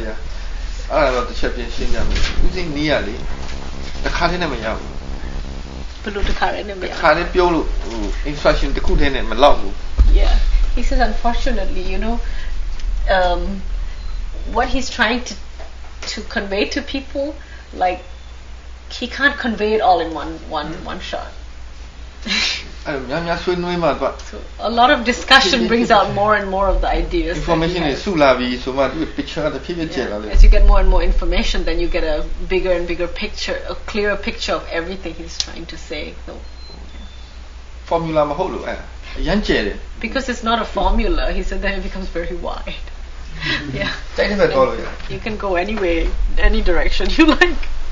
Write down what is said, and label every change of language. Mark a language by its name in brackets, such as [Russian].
[Burmese] ရအဲ့ဒါတော့တစ်ချက်ပြင်ရှင်းကြမယ်ဦးစင်းနီးရလေတစ်ခါတည်းနဲ့မရဘူးဘယ်လိုတစ်ခါတည်းနဲ့မရ တစ်ခါတည်းပြောလို့ဟို instruction တစ်ခုတည်းနဲ့မလောက်ဘူး [English] yeah he says unfortunately you know what he's trying to convey to people like he can't convey it all in one shot [Burmese] အဲ့များများဆွေးနွေးမှသွား [English] So a lot of discussion brings out more and more of the ideas [Burmese] information တွေစုလာပြီးဆိုမှသူ့ picture တစ်ဖြည်းဖြည်းကျလာလေ [English] As you get more and more information then you get a bigger and bigger picture a clearer picture of everything he's trying to say so [Burmese] formula မဟုတ်လို့အဲ့အရန်ကျတယ် [English] because it's not a formula he said that it becomes very wide yeah [Burmese] တိုင်းနဲ့တော့လို့ [English] you can go anywhere any direction you like